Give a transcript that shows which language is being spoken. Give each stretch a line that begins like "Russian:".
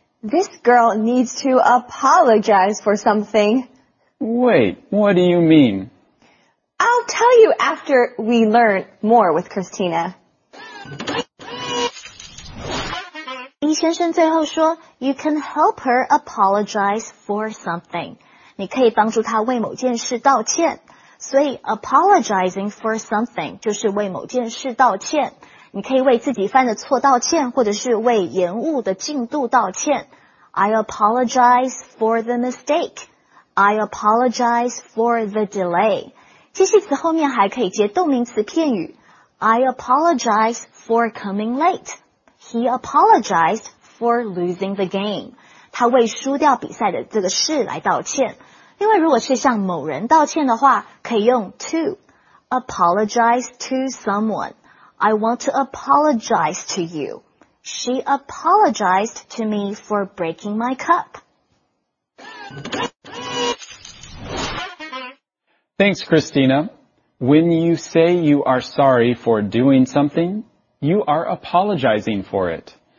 English: This girl needs to apologize for something. Wait, what do you mean? I'll tell you after we learn more with Christina.
Chinese: 医先生最后说
English: ,You can help her apologize for something.
Chinese: 你可以帮助她为某件事道歉。所以
English: apologizing for something
Chinese: 就是为某件事道歉。你可以为自己犯的错道歉或者是为延误的进度道歉。
English: I apologize for the mistake. I apologize for the delay.
Chinese: 接续词后面还可以接动名词片语。
English: I apologize for coming late. He apologized for losing the game.
Chinese: 他为输掉比赛的这个事来道歉。另外如果是向某人道歉的话可以用 to.
English: Apologize to someone. I want to apologize to you. She apologized to me for breaking my cup. Thanks, Christina. When you say you are sorry for doing something,You are apologizing for it.